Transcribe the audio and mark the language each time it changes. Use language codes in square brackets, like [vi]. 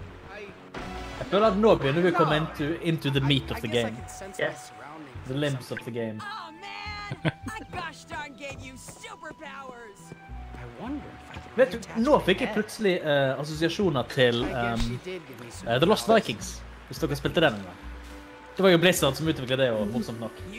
[no] Jeg føler at nå begynner vi å komme [en] into the meat of the game. Yes. The limbs of the game. Oh man! I gosh darn gave you superpowers! I [no] Vet du, nå fikk jeg plutselig assosiasjoner til The Lost Vikings, hvis dere spilte den en gang. Det var jo Blizzard som utviklet det, og morsomt nok.